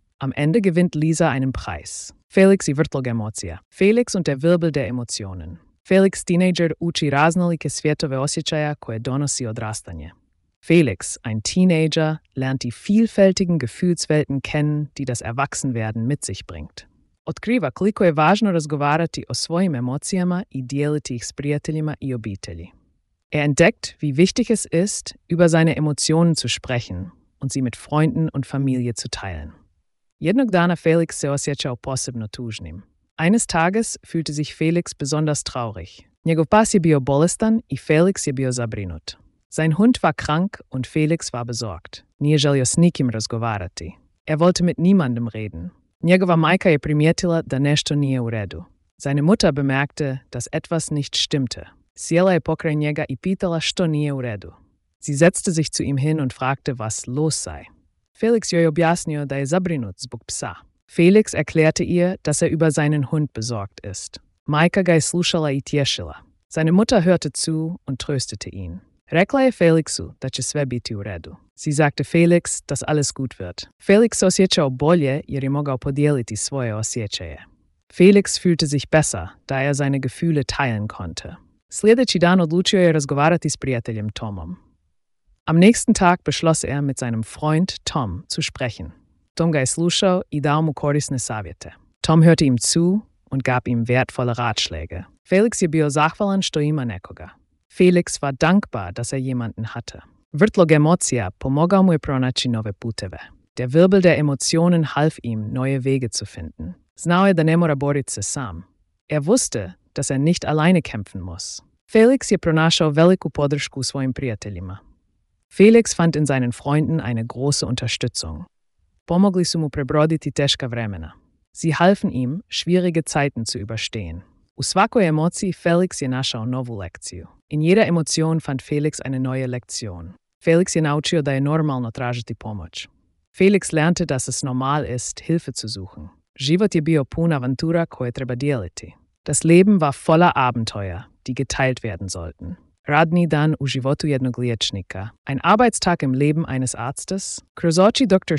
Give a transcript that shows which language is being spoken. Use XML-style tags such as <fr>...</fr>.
<de>Am Ende gewinnt Lisa einen Preis.</de> <hr>Felix i vrtlog emocija.</hr> <de>Felix und der Wirbel der Emotionen.</de> <hr>Felix Teenager uči raznolike svjetove osjećaja koje donosi odrastanje.</hr> <de>Felix, ein Teenager, lernt die vielfältigen Gefühlswelten kennen, die das Erwachsenwerden mit sich bringt.</de> <hr>Otkriva koliko je važno razgovarati o svojim emocijama i dijeliti ih s prijateljima i obitelji.</hr> <de>Entdeckt, wie wichtig es ist, über seine Emotionen zu sprechen und sie mit Freunden und Familie zu teilen.</de> <hr>Jednog dana Felix se osjećao posebno tužnim.</hr> <de>Eines Tages fühlte sich Felix besonders traurig.</de> <hr>Njegov pas je bio bolestan i Felix je bio zabrinut.</hr> <de>Sein Hund war krank und Felix war besorgt.</de> <hr>Nije želio s nikim razgovarati.</hr> <de>Wollte mit niemandem reden.</de> <hr>Njegova majka je primijetila da nešto nije u redu.</hr> <de>Seine Mutter bemerkte, dass etwas nicht stimmte.</de> <hr>Sjela je pokraj njega i pitala što nije u redu.</hr> <de>Sie setzte sich zu ihm hin und fragte, was los sei.</de> <hr>Felix joj objasnio da je zabrinut zbog psa.</hr> <de>Felix erklärte ihr, dass über seinen Hund besorgt ist.</de> <hr>Majka ga je slušala i tješila.</hr> <de>Seine Mutter hörte zu und tröstete ihn.</de> <hr>Rekla je Felixu da će sve biti u redu.</hr> <de>Sie sagte Felix, dass alles gut wird.</de> <hr>Felix se osjećao bolje jer je mogao podijeliti svoje osjećaje.</hr> <de>Felix fühlte sich besser, da seine Gefühle teilen konnte.</de> <hr>Sljedeći dan odlučio je razgovarati s prijateljem Tomom.</hr> <de>Am nächsten Tag beschloss mit seinem Freund Tom zu sprechen.</de> <hr>Tom ga je slušao i dao mu korisne savjete.</hr> <de>Tom hörte ihm zu und gab ihm wertvolle Ratschläge.</de> <hr>Felix je bio zahvalan što ima nekoga.</hr> <de>Felix war dankbar, dass jemanden hatte.</de> <hr>Vrtlog emocija pomogao mu je pronaći nove puteve.</hr> <de>Der Wirbel der Emotionen half ihm, neue Wege zu finden.</de> <hr>Znao je da ne mora boriti se sam.</hr> <de>Wusste, dass er nicht alleine kämpfen muss.</de> <hr>Felix je pronašao veliku podršku svojim prijateljima.</hr> <de>Felix fand in seinen Freunden eine große Unterstützung.</de> <hr>Pomogli su mu prebroditi teška vremena.</hr> <de>Sie halfen ihm, schwierige Zeiten zu überstehen.</de> <hr>U svakoj emociji Felix je našao novu lekciju.</hr> <de>In jeder Emotion fand Felix eine neue Lektion.</de> <hr>Felix je naučio da je normalno tražiti pomoć.</hr> <de>Felix lernte, dass es normal ist, Hilfe zu suchen.</de> <hr>Život je bio pun avantura koje treba dijeliti.</hr> <de>Das Leben war voller Abenteuer, die geteilt werden sollten.</de> <hr>Radni dan u životu jednog liječnika.</hr> <de>Ein Arbeitstag im Leben eines Arztes.</de> <hr>Kroz oči Dr.</hr>